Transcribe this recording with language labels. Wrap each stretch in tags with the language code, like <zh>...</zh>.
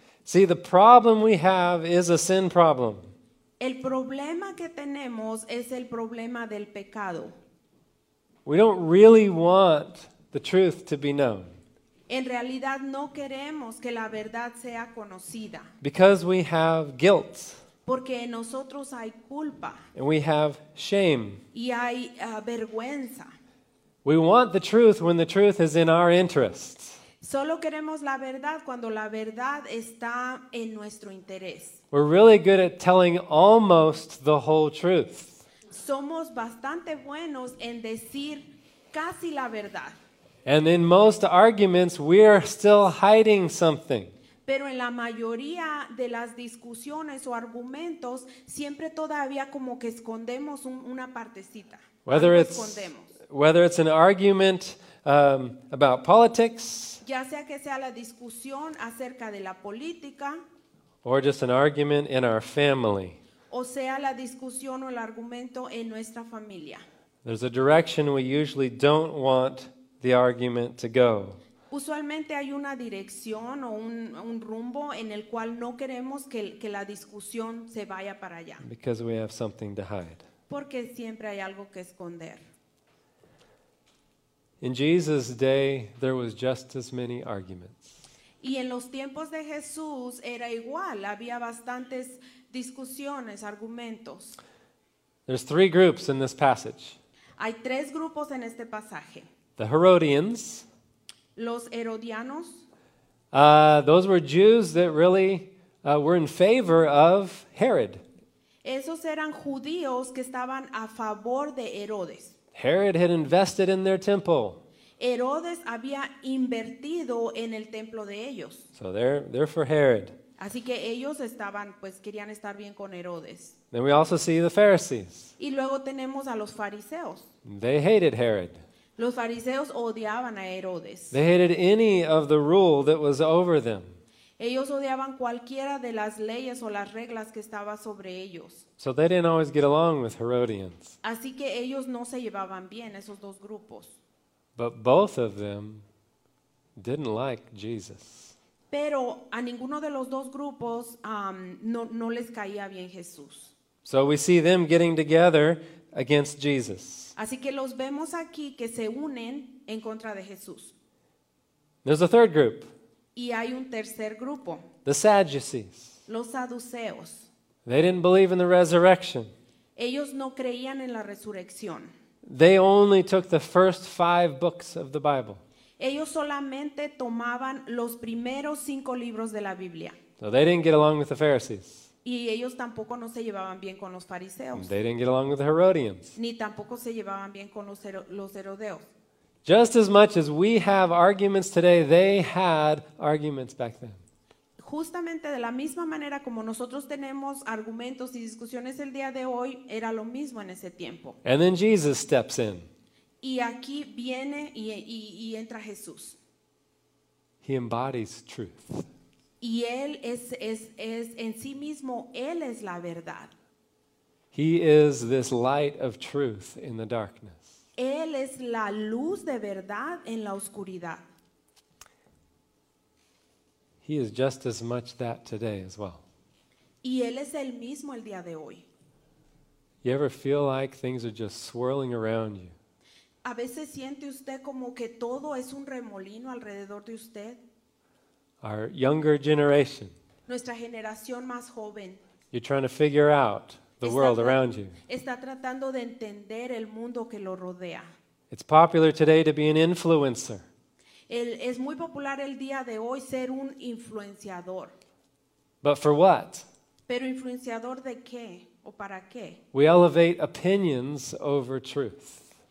<en>See, the problem we have is a sin problem.</en> <es>El problema que tenemos es el problema del pecado.</es> <en>We don't really want the truth to be known.</en> <es>En realidad no queremos que la verdad sea conocida.</es> <en>Because we have guilt.</en> <es>Porque en nosotros hay culpa.</es> <en>And we have shame.</en> <es>Y hay vergüenza.</es> <en>We want the truth when the truth is in our interest.</en> <es>Solo queremos la verdad cuando la verdad está en nuestro interés.</es> <en>We're really good at telling almost the whole truth.</en> <es>Somos bastante buenos en decir casi la verdad.</es> <en>And in most arguments, we are still hiding something.</en> <es>Pero en la mayoría de las discusiones o argumentos, siempre todavía como que escondemos una partecita.</es> <en>Whether it's an argument about politics,</en> <es>ya sea que sea la discusión acerca de la política,</es> <en>or just an argument in our family,</en> <es>o sea la discusión o el argumento en nuestra familia,</es> <en>there's a direction we usually don't want the argument to go.</en> <es>Usualmente hay una dirección o un rumbo en el cual no queremos que la discusión se vaya para allá.</es> <en>Because we have something to hide.</en> <es>Porque siempre hay algo que esconder.</es> <en>In Jesus' day, there was just as many arguments.</en> <es>Y en los tiempos de Jesús era igual, había bastantes discusiones, argumentos.</es> <en>There's three groups in this passage.</en> <es>Hay tres grupos en este pasaje.</es> <en>The Herodians.</en> <es>Los Herodianos.</es> <en>Those were Jews that really were in favor of Herod.</en> <es>Esos eran judíos que estaban a favor de Herodes.</es> <en>Herod had invested in their temple.</en> <es>Herodes había invertido en el templo de ellos.</es> <en>So they're for Herod.</en> <es>Así que ellos estaban, pues querían estar bien con Herodes.</es> <en>Then we also see the Pharisees.</en> <es>Y luego tenemos a los fariseos.</es> <en>They hated Herod.</en> <es>Los fariseos odiaban a Herodes.</es> <en>They hated any of the rule that was over them.</en> <es>Ellos odiaban cualquiera de las leyes o las reglas que estaba sobre ellos.</es> <en>So they didn't always get along with Herodians.</en> <es>Así que ellos no se llevaban bien, esos dos grupos.</es> <en>But both of them didn't like Jesus.</en> <es>Pero a ninguno de los dos grupos no les caía bien Jesús.</es> <en>So we see them getting together against Jesus.</en> <es>Así que los vemos aquí que se unen en contra de Jesús.</es> <en>There's a third group.</en> <es>Y hay un tercer grupo.</es> <en>The Sadducees.</en> <es>Los saduceos.</es> <en>They didn't believe in the resurrection.</en> <es>Ellos no creían en la resurrección.</es> <en>They only took the first five books of the Bible.</en> <es>Ellos solamente tomaban los primeros cinco libros de la Biblia.</es> <en>So they didn't get along with the Pharisees.</en> <es>Y ellos tampoco no se llevaban bien con los fariseos.</es> <en>They didn't get along with the Herodians.</en> <es>Ni tampoco se llevaban bien con los herodeos.</es> <en>Just as much as we have arguments today, they had arguments back then.</en> <es>Justamente de la misma manera como nosotros tenemos argumentos y discusiones el día de hoy, era lo mismo en ese tiempo.</es> <en>And then Jesus steps in.</en> <es>Y aquí viene y entra Jesús.</es> <en>He embodies truth.</en> <es>Y él es en sí mismo, él es la verdad.</es> <en>He is this light of truth in the darkness.</en> <es>Él es la luz de verdad en la oscuridad.</es> <en>He is just as much that today as well.</en> <es>Y él es el mismo el día de hoy.</es> <en>You ever feel like things are just swirling around you?</en> <es>¿A veces siente usted como que todo es un remolino alrededor de usted?</es> <en>Our younger generation.</en> <es>Nuestra generación más joven.</es> <en>You're trying to figure out the world around you.</en> <es>Está tratando de entender el mundo que lo rodea.</es> <en>It's popular today to be an influencer.</en> <es>Es muy popular el día de hoy ser un influenciador.</es> <en>But for what?</en> <es>¿Pero influenciador de qué o para qué?</es> <en>We elevate opinions over truth.</en>